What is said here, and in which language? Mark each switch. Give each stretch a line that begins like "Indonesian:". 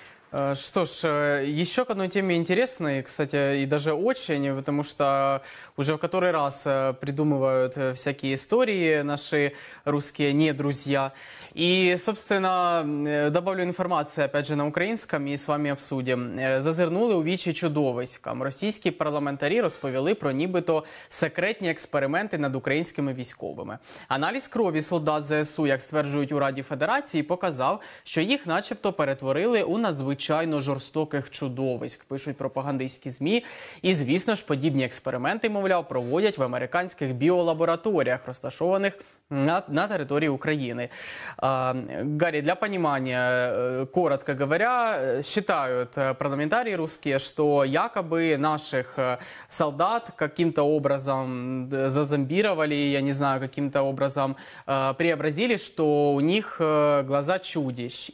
Russian: Что ж, еще к одной теме интересной, кстати, и даже очень, потому что уже в который раз придумывают всякие истории наши русские не друзья. И, собственно, добавлю информацию, опять же, на украинском и с вами обсудим.
Ukrainian: Зазирнули у вічі чудовиськам. Російські парламентарі розповіли про нібито секретні експерименти над українськими військовими. Аналіз крові солдат ЗСУ, як стверджують у Раді Федерації, показав, що їх начебто перетворили у надзвичайно жорстоких чудовиськ, пишуть пропагандистські ЗМІ. І, звісно ж, подібні експерименти, мовляв, проводять в американських біолабораторіях, розташованих на території України.
Russian: Гарі, для понимания, коротко говоря, считают парламентарии русские, что якобы наших солдат каким-то образом зазомбировали, я не знаю, каким-то образом преобразили, что у них глаза чудищ.